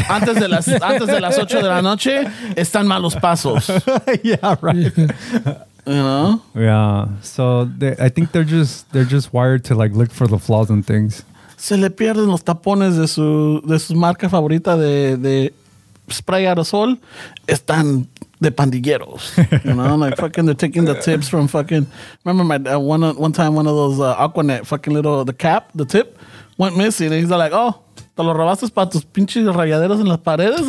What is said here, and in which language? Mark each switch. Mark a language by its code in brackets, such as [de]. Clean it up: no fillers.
[es] antes de las 8 de la noche, están malos pasos. [en] Yeah, right. You know? Yeah. So I think they're just wired to like look for the flaws and things. [es] Se le pierden los tapones de su marca favorita de spray aerosol. Están de pandilleros. [en] You know, like fucking, they're taking the tips from fucking. Remember my one time one of those Aquanet fucking little the tip went missing, and he's like, oh. [es] Te lo robaste para tus pinches rayaderas en las paredes.